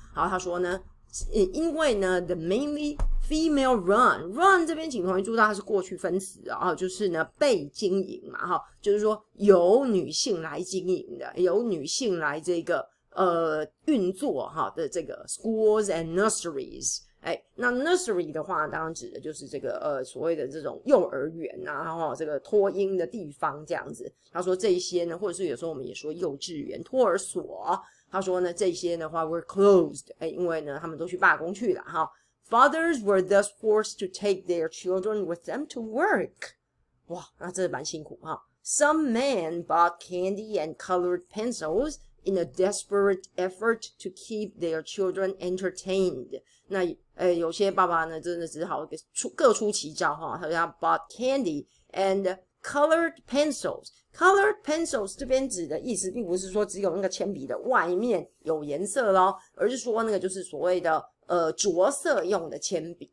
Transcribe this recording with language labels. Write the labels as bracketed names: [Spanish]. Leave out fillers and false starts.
[Chinese] 好，他说呢，因为呢 ， [English] the mainly female run [Chinese] 这边请同学注意到它是过去分词啊，就是呢被经营嘛，哈，就是说由女性来经营的，由女性来这个运作哈的这个 [English] schools and nurseries。 [Chinese] 哎，那 nursery 的话，当然指的就是这个所谓的这种幼儿园啊，哈，这个托婴的地方这样子。他说这些呢，或者是有时候我们也说幼稚园、托儿所。他说呢，这些的话 [English] were closed， [Chinese] 哎，因为呢，他们都去罢工去了哈。 [English] Fathers were thus forced to take their children with them to work。 [Chinese] 哇，那真的蛮辛苦哈。 [English] Some men bought candy and colored pencils in a desperate effort to keep their children entertained。 [Chinese] 那有些爸爸呢，真的只好各出奇招哈。他说 [English] bought candy and colored pencils。 Colored pencils [Chinese] 这边指的意思并不是说只有那个铅笔的外面有颜色咯，而是说那个就是所谓的着色用的铅笔。